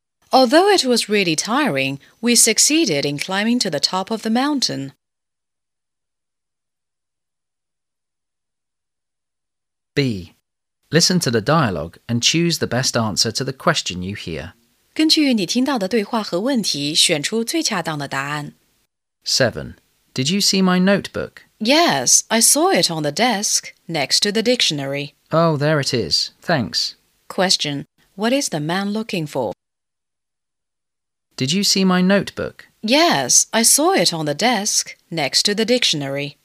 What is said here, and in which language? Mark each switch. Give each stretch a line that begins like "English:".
English: Although it was really tiring, we succeeded in climbing to the top of the mountain. 7. Listen to the dialogue and choose the best answer to the question you hear.
Chinese: 根据你听到的对话和问题，选出最恰当的答案。
English: 7. Did you see my notebook? Yes, I saw it on the desk next to the dictionary. Oh, there it is. Thanks. Question, what is the man looking for? Did you see my notebook? Yes, I saw it on the desk next to the dictionary.